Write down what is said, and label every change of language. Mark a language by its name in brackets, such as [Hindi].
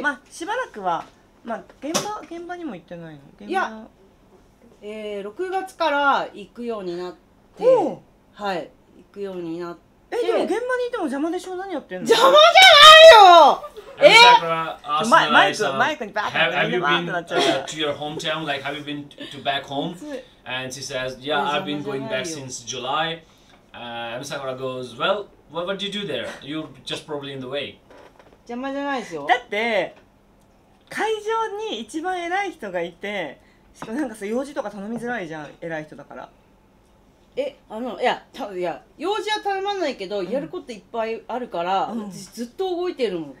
[Japanese] まあ、しばらくは、まあ、現場にも行ってないの。現場いや、6月から行くようになって、はい、行くようになって、でも現場にいても邪魔でしょ、何やってんの。邪魔じゃないよ。マイクにバーッと入れてバーッとなっちゃう。 [English] To your hometown, like have you been to back home? And she says, yeah, I've been going back since July. Ms. Sakura goes, well, what do you do there? You're just probably in the way. [Japanese] 邪魔じゃないですよ。だって会場に一番偉い人がいて、しかもなんかさ、用事とか頼みづらいじゃん、偉い人だから。え、あの、いや用事は頼まないけど、やることいっぱいあるから、うん、ずっと動いてるもん。